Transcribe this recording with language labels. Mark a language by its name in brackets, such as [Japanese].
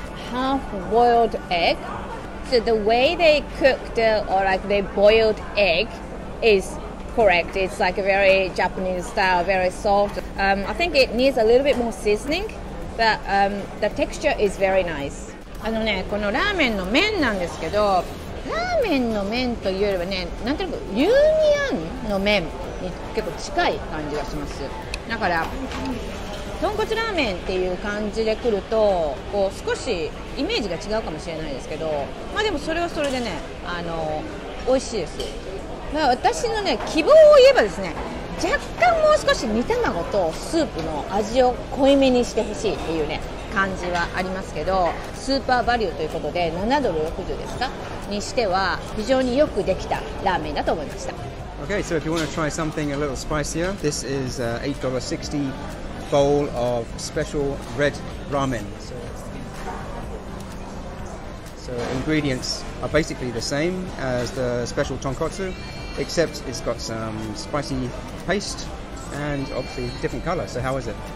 [English] Half-boiled egg. So the way they cooked or like they boiled egg is correct. It's like a very Japanese style, very soft. I think it needs a little bit more seasoning, but the texture is very nice. [Japanese] あのね、このラーメンの麺なんですけど、ラーメンの麺というよりはね、なんとなくユーニアンの麺に結構近い感じがします。だから。豚骨ラーメンっていう感じで来るとこう少しイメージが違うかもしれないですけど、まあでもそれはそれでね、美味しいです。まあ、私のね希望を言えばですね、若干もう少し煮卵とスープの味を濃いめにしてほしいっていうね感じはありますけど、スーパーバリューということで7ドル60ですかにしては非常によくできたラーメンだと思いました。 [English] Okay, so if you want to try something a little spicier, this is $8.60bowl of special red ramen. So ingredients are basically the same as the special tonkotsu, except it's got some spicy paste and obviously different color. So how is it?